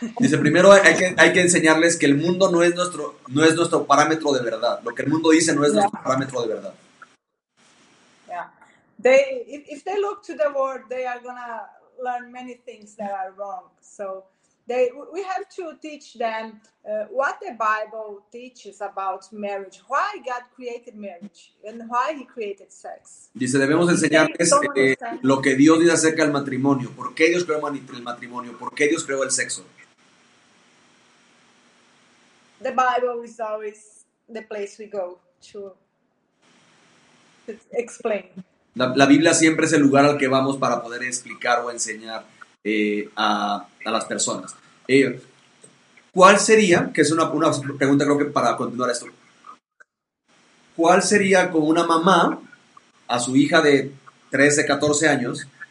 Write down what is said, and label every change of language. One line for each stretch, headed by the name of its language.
Spanish: Dice, primero hay que enseñarles que el mundo no es nuestro parámetro de verdad. Lo que el mundo dice no es nuestro parámetro de verdad.
English: Yeah. If they look to the world, they are going to learn many things that are wrong. So we have to teach them what the Bible teaches about marriage, why God created marriage, and why He created sex.
Spanish: Dice, debemos enseñarles lo que Dios dice acerca del matrimonio. ¿Por qué Dios creó el matrimonio? ¿Por qué Dios creó el sexo?
English: The Bible is always the place we go to explain.
Spanish: La Biblia siempre es el lugar al que vamos para poder explicar o enseñar a las personas. ¿Cuál sería, que es una pregunta creo que para continuar esto, cuál sería con una mamá a su hija de 13, 14 años,